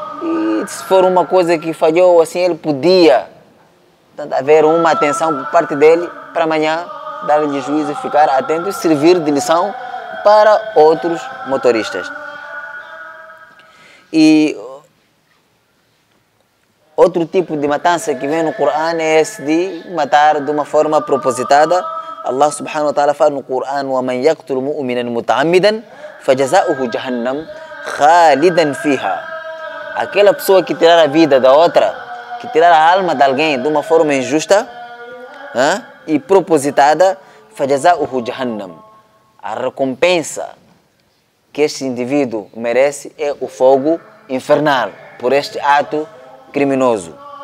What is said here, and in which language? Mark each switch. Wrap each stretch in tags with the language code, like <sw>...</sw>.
<pt>E se for uma coisa que falhou, assim, ele podia, portanto, haver uma atenção por parte dele para amanhã dar-lhe juízo e ficar atento e servir de lição para outros motoristas. E outro tipo de matança que vem no Corão é esse de matar de uma forma propositada.</pt> <ar>Allah subhanahu wa ta'ala fala no Corão: وَمَنْ يَقْتُلُ مُؤْمِنًا مُتَعَمِّدًا فَجَزَاؤُهُ جَهَنَّمْ خَالِدًا فِيهَا.</ar> <pt>Aquela pessoa que tirar a vida da outra, que tirar a alma de alguém de uma forma injusta, hein, e propositada,</pt> <ar>فَجَزَاؤُهُ جَهَنَّمْ.</ar> <pt>A recompensa que este indivíduo merece é o fogo infernal por este ato criminoso.</pt>